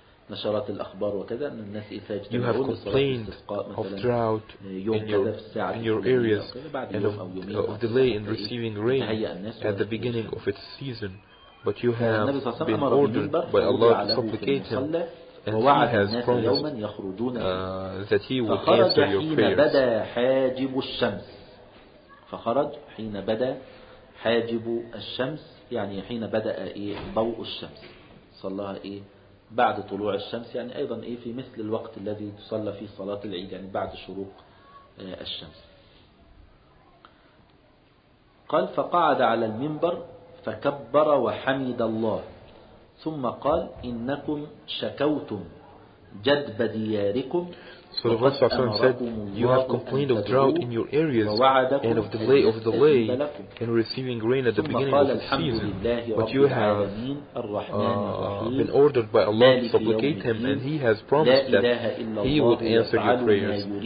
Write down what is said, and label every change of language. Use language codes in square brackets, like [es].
[ar] نشرات الأخبار وكذا أن الناس يفاجئون. [en] You have complained of drought in your areas and of delay in receiving rain at the beginning of its season, but you have been ordered by Allah to supplicate him, and he has promised that he will answer your prayers. [ar] فخرج حين بدأ حاجب الشمس يعني حين بدأ ضوء الشمس صلى بعد طلوع الشمس يعني أيضا في مثل الوقت الذي تصلى فيه صلاة العيد يعني بعد شروق الشمس. قال فقعد على المنبر فكبر وحمد الله ثم قال إنكم شكوتم جدب دياركم. [en] So the Prophet said, you have complained of drought in your areas and of delay in receiving rain at the beginning of the season, but you have been ordered by Allah to supplicate him, and he has promised that he would answer your prayers.